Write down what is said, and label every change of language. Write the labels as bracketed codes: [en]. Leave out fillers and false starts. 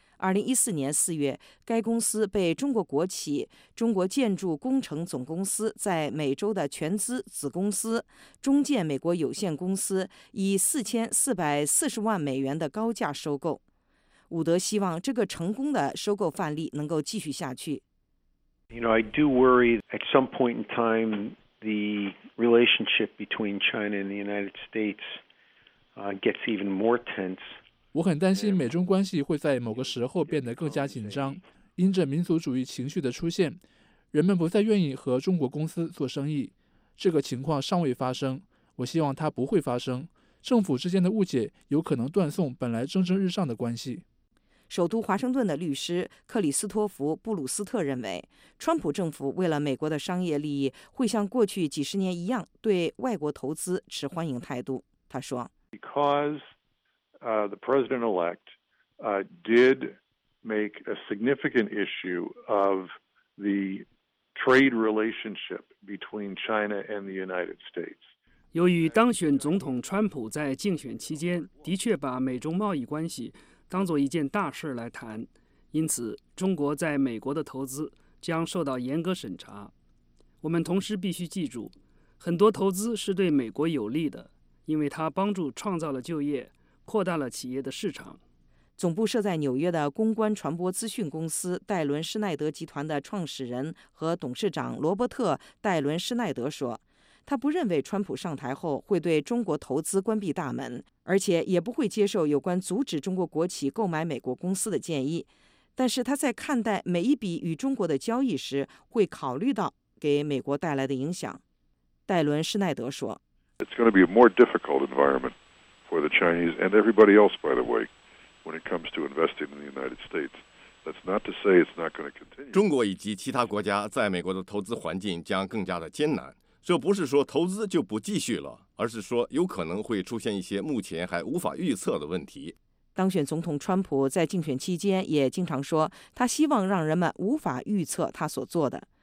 [zh] 2014年4月，该公司被中国国企中国建筑工程总公司在美洲的全资子公司中建美国有限公司以4440万美元的高价收购。伍德希望这个成功的收购范例能够继续下去。 [en] You know, I do worry at some point in time the relationship between China and the United States gets even more tense. [zh] 我很担心美中关系会在某个时候变得更加紧张，因着民族主义情绪的出现，人们不再愿意和中国公司做生意。这个情况尚未发生，我希望它不会发生。政府之间的误解有可能断送本来蒸蒸日上的关系。首都华盛顿的律师克里斯托弗·布鲁斯特认为，川普政府为了美国的商业利益，会像过去几十年一样对外国投资持欢迎态度。他说 [en] ：“Because the president-elect did make a significant issue of the trade relationship between China and the United States.” [zh] 由于当选总统川普在竞选期间的确把美中贸易关系当作一件大事来谈，因此中国在美国的投资将受到严格审查。我们同时必须记住，很多投资是对美国有利的，因为它帮助创造了就业，扩大了企业的市场。总部设在纽约的公关传播资讯公司戴伦·施奈德集团的创始人和董事长罗伯特·戴伦·施奈德说，他不认为川普上台后会对中国投资关闭大门，而且也不会接受有关阻止中国国企购买美国公司的建议。但是他在看待每一笔与中国的交易时，会考虑到给美国带来的影响。戴伦·施奈德说 [en] It's going to be a more difficult environment for the Chinese and everybody else, by the way, when it comes to investing in the United States. That's not to say it's not going to continue. [zh] 中国以及其他国家在美国的投资环境将更加的艰难。这不是说投资就不继续了，而是说有可能会出现一些目前还无法预测的问题。当选总统川普在竞选期间也经常说，他希望让人们无法预测他所做的。